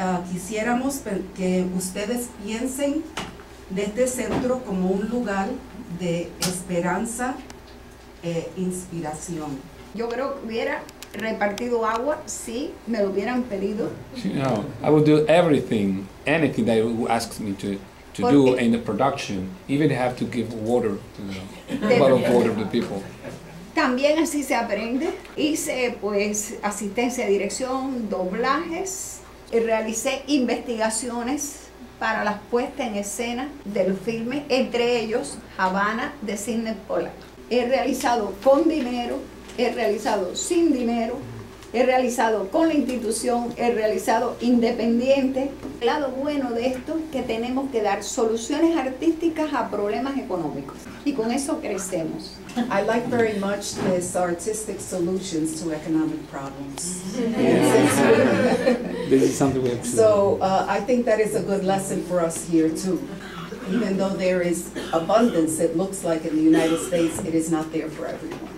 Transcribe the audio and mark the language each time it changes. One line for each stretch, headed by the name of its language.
Spanish: Quisiéramos que ustedes piensen de este centro como un lugar de esperanza e inspiración. Yo creo que hubiera repartido agua si me lo hubieran pedido.
English: No, I would do everything, anything that you ask me to do in the production, even have to give water, a bottle of water to the people.
Spanish: También así se aprende. Hice pues asistencia de dirección, doblajes, y realicé investigaciones para las puestas en escena de los filmes, entre ellos Havana de Sidney Pollack. He realizado con dinero, he realizado sin dinero, he realizado con la institución, he realizado independiente. El lado bueno de esto es que tenemos que dar soluciones artísticas a problemas económicos y con eso crecemos.
English: I like very much this artistic solutions to economic problems. Yes. This is something we have to do. So I think that is a good lesson for us here too. Even though there is abundance, it looks like in the United States, it is not there for everyone.